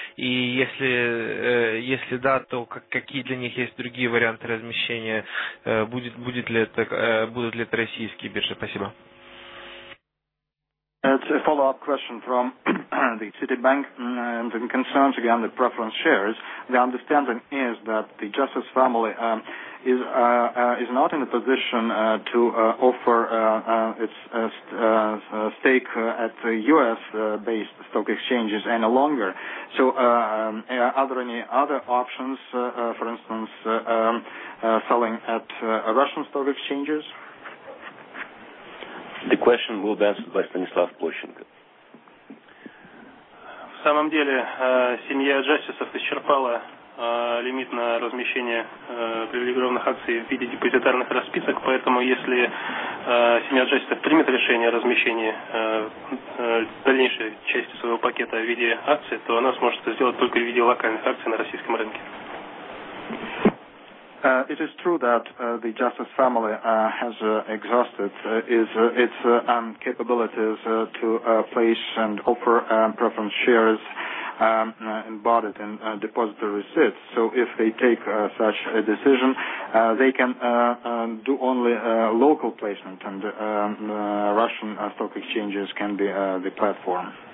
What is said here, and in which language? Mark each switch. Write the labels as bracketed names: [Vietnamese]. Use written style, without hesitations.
[Russian] И если да, то какие для них есть другие варианты размещения? Будут ли это российские биржи? Спасибо. [English] It's a follow-up question from the Citibank and in concerns again the preference shares. The understanding is that the Justice family is not in a position to offer its stake at the U.S.-based stock exchanges any longer. So are there any other options, for instance, selling at Russian stock exchanges? The question will be answered by Станислав Площенко. [Russian] В самом деле, семья Джастисов исчерпала лимит на размещение привилегированных акций в виде депозитарных расписок, поэтому если семья Джастисов примет решение о размещении дальнейшей части своего пакета в виде акций, то она сможет это сделать только в виде локальных акций на российском рынке. [English] It is true that the Justice family has exhausted its capabilities to place and offer preference shares embodied in depository receipts. So if they take such a decision, they can do only local placement, and Russian stock exchanges can be the platform.